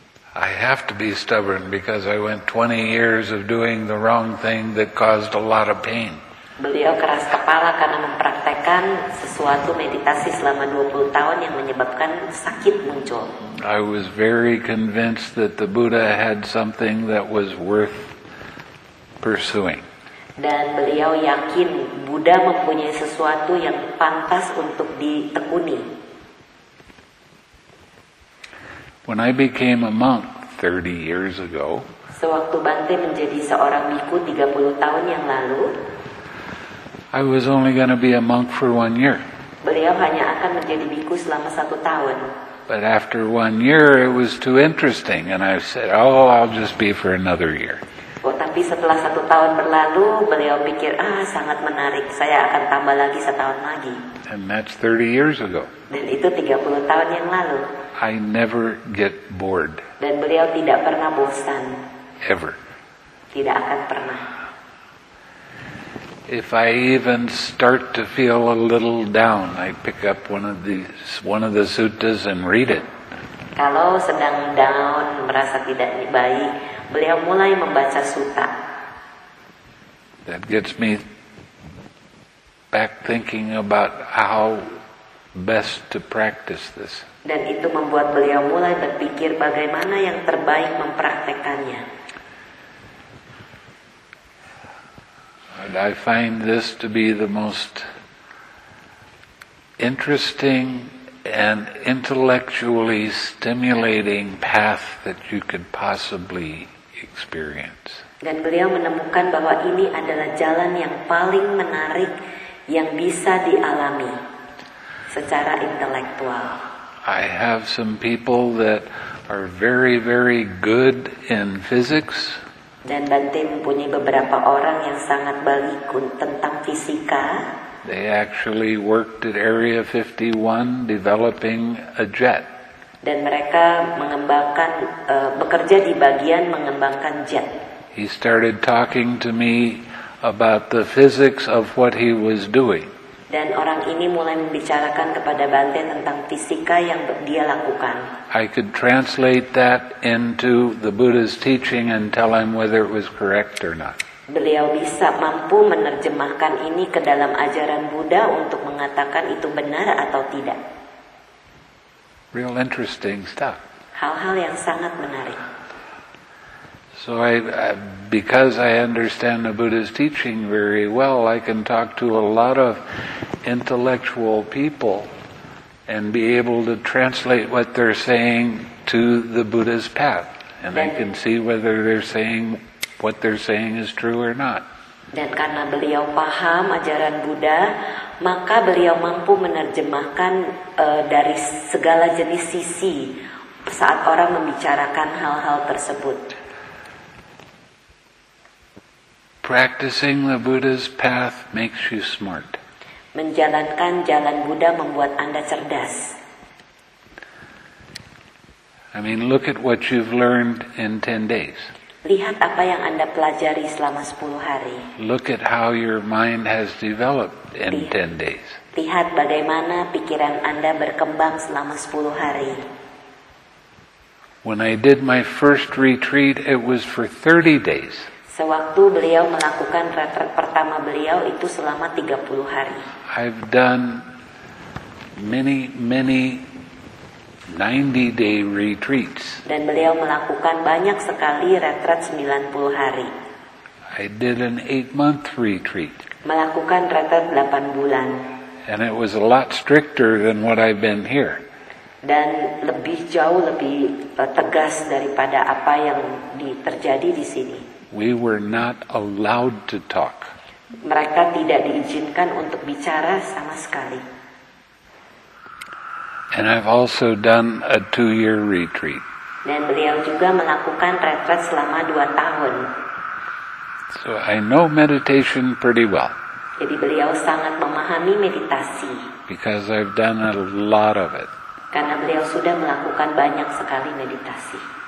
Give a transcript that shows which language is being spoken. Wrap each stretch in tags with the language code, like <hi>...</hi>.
<en>I have to be stubborn because I went 20 years of doing the wrong thing that caused a lot of pain.</en> <id>Beliau keras kepala karena mempraktekkan sesuatu meditasi selama 20 tahun yang menyebabkan sakit muncul.</id> <en>I was very convinced that the Buddha had something that was worth pursuing.</en> <id>Dan beliau yakin Buddha mempunyai sesuatu yang pantas untuk ditekuni.</id> <en>When I became a monk 30 years ago,</en> <id>sewaktu Bante menjadi seorang biku 30 tahun yang lalu,</id> <en>I was only going to be a monk for 1 year.</en> <id>Beliau hanya akan menjadi biku selama 1 tahun.</id> <en>But after 1 year, it was too interesting, and I said, "Oh, I'll just be for another year."</en> <id>Oh, tapi setelah 1 tahun berlalu, beliau pikir, ah, sangat menarik, saya akan tambah lagi 1 tahun lagi.</id> <en>And that's 30 years ago.</en> <id>Dan itu 30 tahun yang lalu.</id> <en>I never get bored.</en> <id>Dan beliau tidak pernah bosan.</id> <en>Ever.</en> <id>Tidak akan pernah.</id> <en>If I even start to feel a little down, I pick up one of the suttas and read it.</en> <id>Kalau sedang down, merasa tidak baik, beliau mulai membaca sutta.</id> <en>That gets me back thinking about how best to practice this.</en> <id>Dan itu membuat beliau mulai berpikir bagaimana yang terbaik mempraktekannya.</id> <en>And I find this to be the most interesting and intellectually stimulating path that you could possibly experience.</en> <id>Dan beliau menemukan bahwa ini adalah jalan yang paling menarik yang bisa dialami secara intelektual.</id> <en>I have some people that are very, very good in physics.</en> <id>Dan Bante mempunyai beberapa orang yang sangat baik tentang fisika.</id> <en>They actually worked at Area 51 developing a jet.</en> <id>Dan mereka mengembangkan bekerja di bagian mengembangkan jet.</id> <en>He started talking to me about the physics of what he was doing.</en> <id>Dan orang ini mulai membicarakan kepada Bante tentang fisika yang dia lakukan.</id> <en>I could translate that into the Buddha's teaching and tell him whether it was correct or not.</en> <id>Beliau bisa mampu menerjemahkan ini ke dalam ajaran Buddha untuk mengatakan itu benar atau tidak.</id> <en>Real interesting stuff.</en> <id>Hal-hal yang sangat menarik.</id> <en>So because I understand the Buddha's teaching very well, I can talk to a lot of intellectual people and be able to translate what they're saying to the Buddha's path. And I can see whether they're saying what they're saying is true or not.</en> <id>Dan karena beliau paham ajaran Buddha, maka beliau mampu menerjemahkan dari segala jenis sisi saat orang membicarakan hal-hal tersebut.</id> <en>Practicing the Buddha's path makes you smart.</en> <id>Menjalankan jalan Buddha membuat Anda cerdas.</id> <en>I mean, look at what you've learned in 10 days.</en> <id>Lihat apa yang Anda pelajari selama 10 hari.</id> <en>Look at how your mind has developed in 10 days.</en> <id>Lihat bagaimana pikiran Anda berkembang selama 10 hari.</id> <en>When I did my first retreat, it was for 30 days.</en> <id>Sewaktu beliau melakukan retret pertama beliau itu selama 30 hari.</id> <en>I've done many, many 90-day retreats.</en> <id>Dan beliau melakukan banyak sekali retret 90 hari.</id> <en>I did an 8-month retreat.</en> <id>Melakukan retret 8 bulan.</id> <en>And it was a lot stricter than what I've been here.</en> <id>Dan lebih jauh lebih tegas daripada apa yang terjadi di sini.</id> <en>We were not allowed to talk.</en> <id>Mereka tidak diizinkan untuk bicara sama sekali.</id> <en>And I've also done a 2-year retreat.</en> <id>Dan beliau juga melakukan retret selama 2 tahun.</id> <en>So I know meditation pretty well.</en> <id>Jadi beliau sangat memahami meditasi.</id> <en>Because I've done a lot of it.</en> <id>Karena beliau sudah melakukan banyak sekali meditasi.</id>